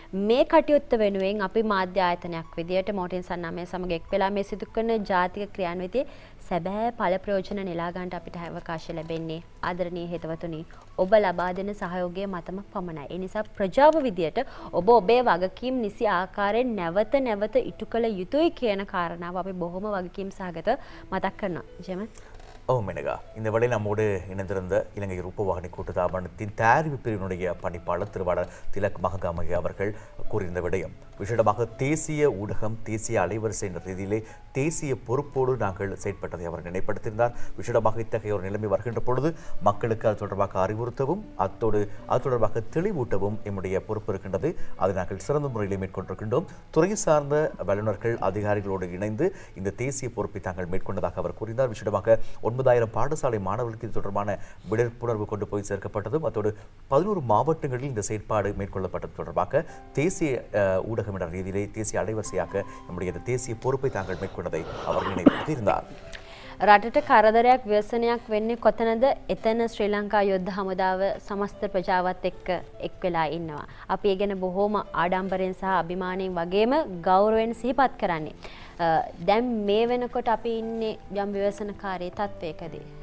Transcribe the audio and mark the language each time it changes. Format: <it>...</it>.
<si>මේ කටයුත්ත වෙනුවෙන් අපි මාධ්‍ය ආයතනයක් විදියට මොටින් සන්නාමය සමග එක් වෙලා මේ සිදු කරන ජාතික ක්‍රියාන්විතයේ සැබෑ ඵල ප්‍රයෝජන නෙලා ගන්නට අපිට අවකාශ ලැබෙන්නේ ආදරණීය හේතවතුනි ඔබ ලබා දෙන සහයෝගයේ මතම පමණයි ඒ නිසා ප්‍රජාව විදියට ඔබ ඔබේ වගකීම් නිසි ආකාරයෙන් නැවත නැවත ඉටු කළ යුතුයි කියන කාරණාව අපි බොහොම වගකීම් සහගත මතක් කරනවා ජෙම</si> <ta>ஓ மெனகா இந்த வழியில் நம்மோடு இணைந்திருந்த இலங்கை ரூபவாகினி கூட்டுத்தாபனத்தின் தயாரிப்பு பிரிவினுடைய பணிப்பாளர் திருவாளர் திலக் மகாகாமகே அவர்கள் கூறியிருந்த விடயம் விசேடமாக தேசிய ஊடகம் தேசிய அலைவரிசை என்ற ரீதியிலே தேசிய பொறுப்போடு நாங்கள் செயற்பட்டதை அவர் நினைப்படுத்தியிருந்தார் விசேடமாக இத்தகைய ஒரு நிலைமை வருகின்ற பொழுது மக்களுக்கு அது தொடர்பாக அறிவுறுத்தவும் அது தொடர்பாக தெளிவூட்டவும் எம்முடைய பொறுப்பு இருக்கின்றது அதை நாங்கள் சிறந்த முறையிலே மேற்கொண்டிருக்கின்றோம் துறை சார்ந்த வல்லுநர்கள் அதிகாரிகளோடு இணைந்து இந்த தேசிய பொறுப்பை தாங்கள் மேற்கொண்டதாக அவர் கூறினார் விசேடமாக 9000 பாடசாலை மாணவர்களுக்கு இது தொடர்பான விழிப்புணர்வு கொண்டு போய் சேர்க்கப்பட்டதும் அத்தோடு 11 மாவட்டங்களில் இந்த செயற்பாடு மேற்கொள்ளப்பட்டது தொடர்பாக தேசிய ஊடகமிடர் ரீதியிலே தேசிய அலைவரிசையாக நம்முடைய தேசிய பொறுப்பை தாங்கள் மேற்கொண்டதை அவர் நினைவுபடுத்தியிருந்தார்</ta> <si>රටට කරදරයක් ව්‍යසනයක් වෙන්නේ කොතනද එතන ශ්‍රී ලංකා යුද්ධ හමුදාව සමස්ත ප්‍රජාවත් එක්ක එක් වෙලා ඉන්නවා. අපි 얘 ගැන බොහොම ආඩම්බරෙන් සහ අභිමාණයෙන් වගේම ගෞරවයෙන් සිහිපත් කරන්නේ. දැන් මේ වෙනකොට අපි ඉන්නේ යම් ව්‍යසනකාරී තත්වයකදී.</si>